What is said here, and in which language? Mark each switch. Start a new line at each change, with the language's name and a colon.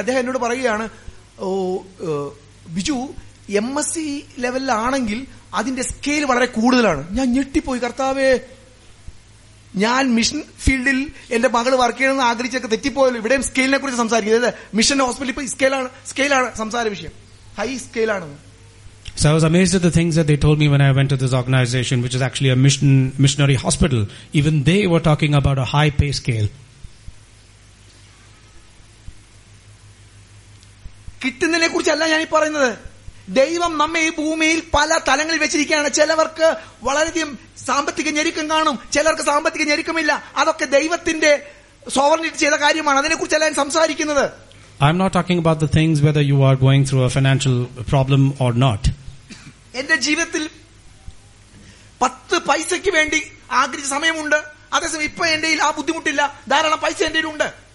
Malayalam: അദ്ദേഹം എന്നോട് പറയുകയാണ്, ഓ ബിജു, എം എസ് സി ലെവലിലാണെങ്കിൽ അതിന്റെ സ്കെയിൽ വളരെ കൂടുതലാണ്. ഞാൻ ഞെട്ടിപ്പോയി. കർത്താവേ, ഞാൻ മിഷൻ ഫീൽഡിൽ എന്റെ മകള് വർക്ക് ചെയ്യണമെന്ന് ആഗ്രഹിച്ചൊക്കെ തെറ്റിപ്പോയല്ലോ. ഇവിടെയും സ്കെയിലിനെ കുറിച്ച് സംസാരിക്കുന്നത്, മിഷൻ ഹോസ്പിറ്റലിൽ ഇപ്പൊ സ്കെയിലാണ് സംസാര വിഷയം, high സ്കെയിലാണ്.
English: So I was amazed at the things that they told me when I went to this organization, which is actually a missionary hospital. Even they were talking about a high pay scale.
Malayalam: കിട്ടുന്നതിനെ കുറിച്ചല്ല ഞാൻ ഈ പറയുന്നത്. ദൈവം നമ്മെ ഈ ഭൂമിയിൽ പല തലങ്ങളിൽ വെച്ചിരിക്കുകയാണ്. ചിലവർക്ക് വളരെയധികം സാമ്പത്തിക ഞെരുക്കം കാണും, ചിലർക്ക് സാമ്പത്തിക ഞെരുക്കമില്ല. അതൊക്കെ ദൈവത്തിന്റെ സോവറിറ്റി ചെയ്ത കാര്യമാണ്. അതിനെ കുറിച്ചല്ല ഞാൻ സംസാരിക്കുന്നത്.
English: I'm not talking about the things whether you are going through a financial problem or not.
Malayalam: എന്റെ ജീവിതത്തിൽ 10 പൈസയ്ക്ക് വേണ്ടി ആഗ്രഹിച്ച സമയമുണ്ട്. അതേസമയം ഇപ്പൊ എന്റെ ആ ബുദ്ധിമുട്ടില്ല, ധാരാളം പൈസ എന്റെ ഉണ്ട്.